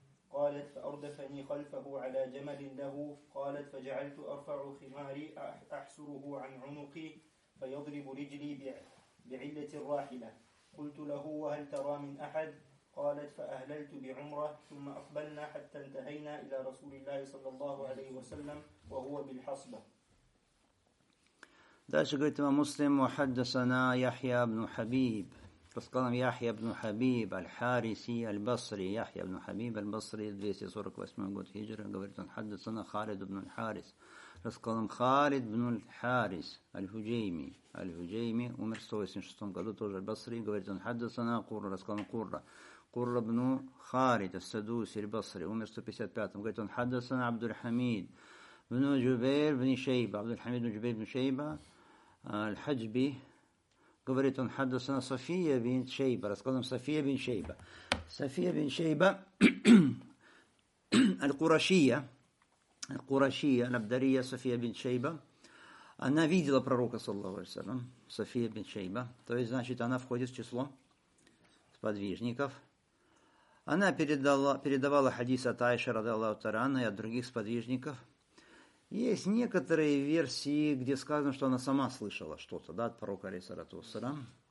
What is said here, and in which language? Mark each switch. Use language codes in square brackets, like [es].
[ar] قالت فأردفني خلفه على جمل له قالت فجعلت أرفع خماري أحسره عن عنقي فيضرب رجلي بعلة الراحلة قلت له وهل ترى من أحد قالت فأهللت بعمرة ثم أقبلنا حتى انتهينا إلى رسول الله صلى الله عليه وسلم وهو بالحصبة [ru] Дальше говорит имам Муслим, وحدثنا يحيى بن حبيب. Рассказал нам يحيى بن حبيب الحارثي البصري. يحيى بن حبيب البصري, 248 год хиджра. Говорит он, حدثنا خالد بن الحارث. Рассказал нам خالد بن الحارث الحجيمي. الحجيمي умер в 186 году, тоже البصري. Говорит он, حدثنا قرة. Рассказал нам قرة. [ar] قرة بن خالد السدوسي البصري. [ru] Умер в 155. Говорит он, حدثنا عبد الحميد. بن جبير بن شيبة عبد الحميد بن جبير بن شيبة الحجبي говорит он حدثنا صفية بن شيبة рассказал нам صفية بن شيبة صفية بن شيبة القرشية نبدرية صفية بن شيبة она видела пророка [ar] صلى الله عليه وسلم [ru] صفية بن شيبة то есть значит она входит в число сподвижников она передавала хадис от Айши радиаллаху анха и от других сподвижников Есть некоторые версии, где сказано, что она сама слышала что-то, да, от пророка алейхиссалату вассалям.